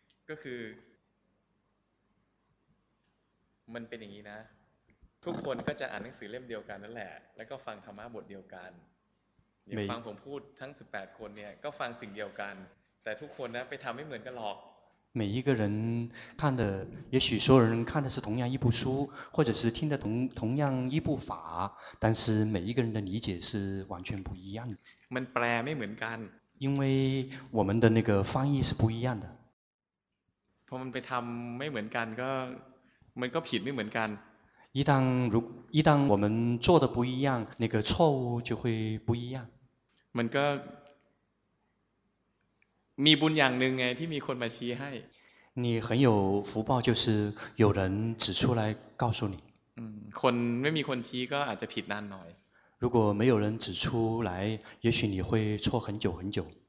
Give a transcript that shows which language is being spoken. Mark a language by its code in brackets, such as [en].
[th] ก็คือมันเป็นอย่างนี้นะทุกคนก็จะอ่านหนังสือเล่มเดียวกันนั่นแหละแล้วก็ฟังธรรมะบทเดียวกันอย่างฟังผมพูดทั้ง18คนเนี่ยก็ฟังสิ่งเดียวกันแต่ทุกคนนะไปทำไม่เหมือนกันหรอก [zh] 每一个人看的，也许所有人看的是同样一部书，或者是听的同样一部法，但是每一个人的理解是完全不一样的。 [th] มันแปลไม่เหมือนกัน [zh] 因为我们的那个翻译是不一样的。 [th] พอมันไปทำไม่เหมือนกันก็มันก็ผิดไม่เหมือนกัน [zh] 一旦我们做的不一样，那个错误就会不一样。 [th] มันก็มีบุญอย่างหนึ่งไงที่มีคนมาชี้ให้ [zh] 你很有福报就是有人指出来告诉你 [th] คนไม่มีคนชี้ก็อาจจะผิดนานหน่อย [zh] 如果没有人指出来也许你会错很久很久